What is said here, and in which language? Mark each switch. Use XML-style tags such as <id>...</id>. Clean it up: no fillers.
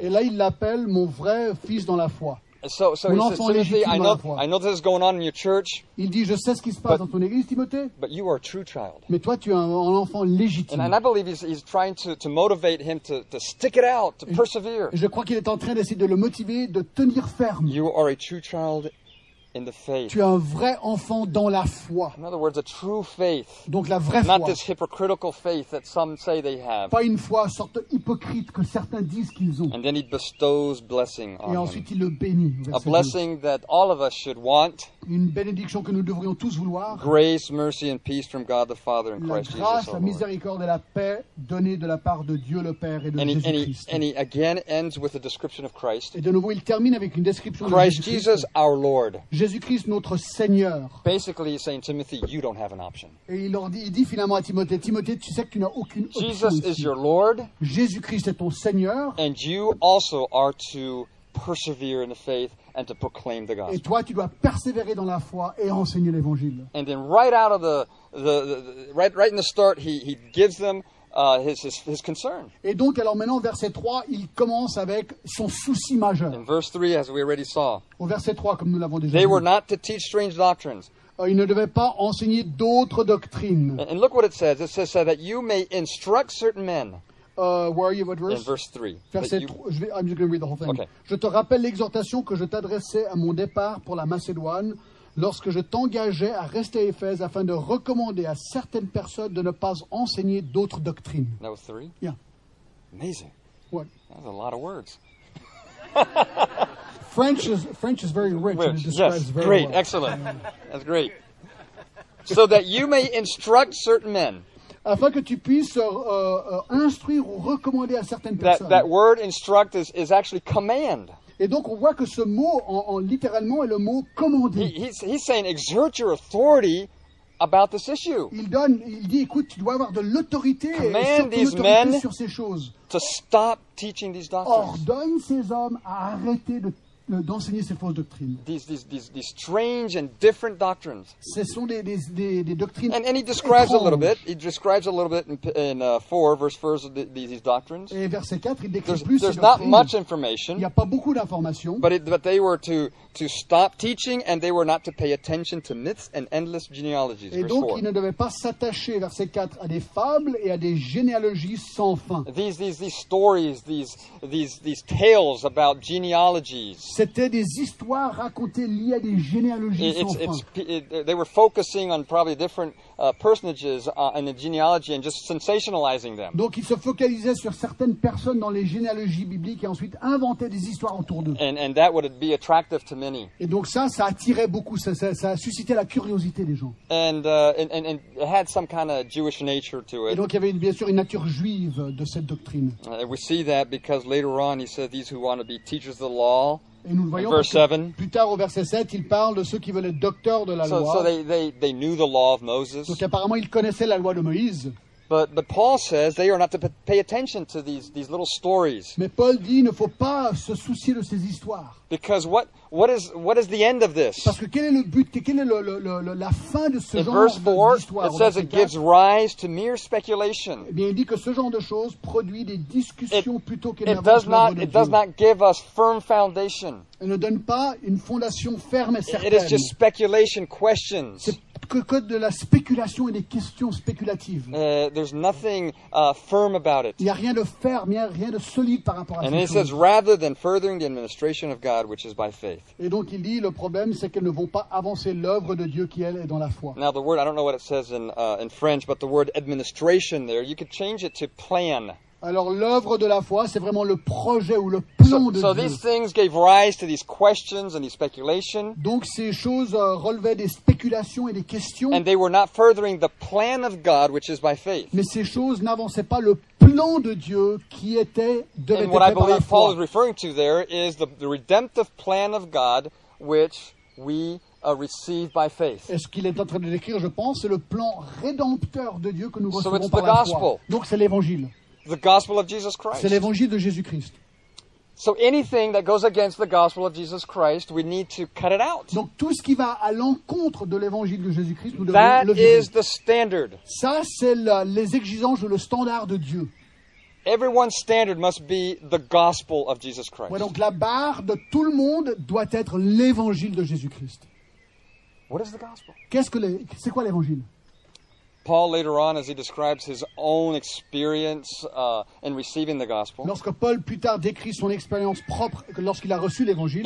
<fr>Et là il l'appelle mon vrai fils dans la foi.</fr> <en>So he says, Timothy, I know this is going on in your church.</en> <fr>Il dit, je sais ce qui se passe dans ton église, Timothée.</fr> <en>But you are a true child.</en> <fr>Mais toi, tu es un enfant légitime.</fr> <en>And I believe he's trying to motivate him to stick it out, to persevere.</en> <fr>Je crois qu'il est en train d'essayer de le motiver, de tenir ferme.</fr> <en>You are a true child in the faith.</en> <fr>Tu es un vrai enfant dans la foi.</fr> <en>In other words, a true faith.</en> <fr>Donc la vraie foi.</fr> <en>Not this hypocritical faith that some say they have.</en> <fr>Pas une foi sorte hypocrite que certains disent qu'ils ont.</fr> <en>And then he bestows blessing on him.</en> <fr>Et ensuite il le bénit.</fr> <en>A blessing that all of us should want.</en> <fr>Une bénédiction que nous devrions tous vouloir.</fr> <en>Grace, mercy and peace from God the Father and Christ Jesus.</en> <fr>La grâce, la miséricorde et la paix données de la part de Dieu le Père et de Jésus-Christ.</fr> <en>And he again ends with a description of Christ.</en> <fr>Et de nouveau il termine avec une description de</fr> <en>Christ Jesus our Lord.</en> <fr>Jésus-Christ, notre Seigneur.</fr> <en>Basically, he's saying, Timothy, you don't have an option.</en> <fr>Et il dit finalement à Timothée, Timothée, tu sais que tu n'as aucune option.</fr> <en>Jesus</en> <fr>ici.</fr> <en>Is your Lord.</en> <fr>Jésus-Christ est ton Seigneur.</fr> <en>And you also are to persevere in the faith and to proclaim the gospel.</en> <fr>Et toi, tu dois persévérer dans la foi et enseigner l'évangile.</fr> <en>And then right out of the right in the start, he gives them his concern.</en> <fr>Et donc, alors maintenant, verset 3, il commence avec son souci majeur.</fr> <en>In verse 3, as we already saw,</en> <fr>au verset 3, comme nous l'avons déjà</fr> <en>they</en> <fr>vu,</fr> <en>were not to teach strange doctrines.</en> <fr>Il ne devait pas enseigner d'autres doctrines.</fr> <en>And look what it says. It says that you may instruct certain men. Where are you, what verse? In verse 3.</en> <fr>Verset 3,</fr> <en>I'm just going to read the whole thing. Okay.</en> <fr>Je te rappelle l'exhortation que je t'adressais à mon départ pour la Macédoine. Lorsque je t'engageais à rester à Éphèse afin de recommander à certaines personnes de ne pas enseigner d'autres doctrines.</fr> <en>That was three? Yeah. Amazing. What? That's a lot of words. French is very rich. Rich. And it describes yes. Very great. Well. Great. Excellent. That's great. So that you may instruct certain men.</en> <fr>Afin que tu puisses instruire ou recommander à certaines personnes.</fr> <en>That word instruct is actually command.</en> <fr>Et donc, on voit que ce mot, en littéralement, est le mot « commander ».</fr> <en>He's saying, exert your authority about this issue.</en> <fr>Il dit, écoute, tu dois avoir de l'autorité,</fr> <en>command</en> <fr>et surtout l'autorité sur ces choses.</fr> <en>To stop teaching these doctrines.</en> <fr>Ordonne ces hommes à arrêter d'enseigner ces fausses doctrines.</fr> <en>These strange and different doctrines.</en> <fr>Ce sont des doctrines</fr> <en>and he describes</en> <fr>étranges.</fr> <en>A little bit. He describes a little bit in 4 verse 4 these doctrines.</en> <fr>Et verset 4, il décrit</fr> <en>there's,</en> <fr>plus.</fr> <en>There's not much information.</en> <fr>Il n'y a pas beaucoup d'informations.</fr> <en>But they were to stop teaching and they were not to pay attention to myths and endless genealogies.</en> <fr>Et donc ils ne devaient pas s'attacher verset 4 à des fables et à des généalogies sans fin.</fr> <en>These stories, these tales about genealogies.</en> <fr>C'était des histoires racontées liées à des généalogies</fr> <en>They were focusing on probably different personages in the genealogy and just sensationalizing them.</en> <fr>Donc ils se focalisaient sur certaines personnes dans les généalogies bibliques et ensuite inventaient des histoires autour d'eux.</fr> <en>And that would be attractive to many.</en> <fr>Et donc ça attirait beaucoup, ça suscitait la curiosité des gens.</fr> <en>And it had some kind of Jewish nature to it.</en> <fr>Et donc il y avait bien sûr une nature juive de cette doctrine.</fr> <en>We see that because later on he said these who want to be teachers of the law.</en> <fr>Et nous le voyons verse 7. Plus tard au verset 7, il parle de ceux qui veulent être docteurs de la loi.</fr> <en>So they knew the law of Moses.</en> <fr>Donc apparemment ils connaissaient la loi de Moïse.</fr> <en>But Paul says they are not to pay attention to these little stories.</en> <fr>Mais Paul dit ne faut pas se soucier de ces histoires.</fr> <en>Because what is the end of this?</en> <fr>Parce que quel est le but, quelle est la fin de ce</fr> <en>In</en> <fr>genre</fr> <en>verse 4,</en> <fr>d'histoire?</fr> <en>It says it gives rise to mere speculation.</en> <fr>Eh bien, il dit que ce genre de choses produit des discussions plutôt qu'une avancée de la Dieu.</fr> <en>It does not give us firm foundation.</en> <fr>Il ne donne pas une fondation ferme et certaine.</fr> <en>It is just speculation questions.</en> <fr>Que de la spéculation et des questions spéculatives.</fr> <en>There's nothing firm about it.</en> <fr>Il n'y a rien de ferme, il n'y a rien de solide par rapport à</fr> <en>And</en> <fr>cette chose.</fr> <en>And it says rather than furthering the administration of God, which is by faith.</en> <fr>Et donc il dit le problème, c'est qu'elles ne vont pas avancer l'œuvre de Dieu qui elle est dans la foi.</fr> <en>Now the word, I don't know what it says in French, but the word administration there, you could change it to plan.</en> <fr>Alors l'œuvre de la foi, c'est vraiment le projet ou le plan de Dieu.</fr> <en>So these things gave rise to these questions and these speculations.</en> <fr>Donc ces choses relevaient des spéculations et des questions.</fr> <en>And they were not furthering the plan of God, which is by faith.</en> <fr>Mais ces choses n'avançaient pas le plan de Dieu qui était de</fr> <en>And what I believe Paul is referring to there is the redemptive plan of God, which we received by faith.</en> <fr>Et ce qu'il est en train de décrire, je pense, c'est le plan rédempteur de Dieu que nous recevons par la foi.</fr> <en>So it's the gospel.</en> <fr>Donc c'est l'évangile.</fr> <en>The gospel of Jesus Christ.</en> <fr>C'est l'évangile de Jésus-Christ.</fr> <en>So anything that goes against the gospel of Jesus Christ, we need to cut it out.</en> <fr>Donc tout ce qui va à l'encontre de l'évangile de Jésus-Christ, nous devons le virer.</fr> <en>That is the standard.</en> <fr>Ça, c'est les exigences ou le standard de Dieu.</fr> <en>Everyone's standard must be the gospel of Jesus Christ.</en> <fr>Ouais, donc la barre de tout le monde doit être l'évangile de Jésus-Christ.</fr> <en>What is the gospel?</en> <fr>C'est quoi l'évangile?</fr> <en>Paul later on, as he describes his own experience in receiving the gospel.</en> <fr>Lorsque Paul plus tard décrit son expérience propre lorsqu'il a reçu l'évangile.</fr>